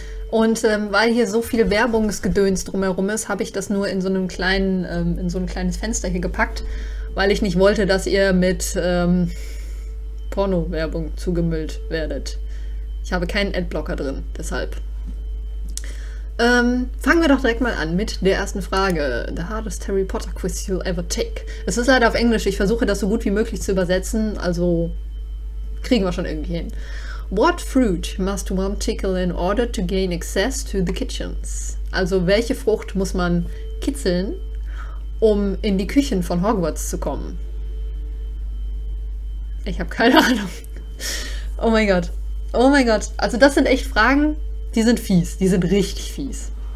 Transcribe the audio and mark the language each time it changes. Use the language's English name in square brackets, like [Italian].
[German] Und weil hier so viel Werbungsgedöns drumherum ist, habe ich das nur in so einem kleinen, in so ein kleines Fenster hier gepackt, weil ich nicht wollte, dass ihr mit Porno-Werbung zugemüllt werdet. Ich habe keinen Adblocker drin, deshalb. Fangen wir doch direkt mal an mit der ersten Frage. [English] The hardest Harry Potter quiz you'll ever take. [German] Es ist leider auf Englisch, ich versuche das so gut wie möglich zu übersetzen, also kriegen wir schon irgendwie hin. [English] What fruit must one tickle in order to gain access to the kitchens? [German] Also, welche Frucht muss man kitzeln, um in die Küchen von Hogwarts zu kommen? Ich habe keine Ahnung. Oh mein Gott. Oh mein Gott. Also das sind echt Fragen, die sind fies. Die sind richtig fies.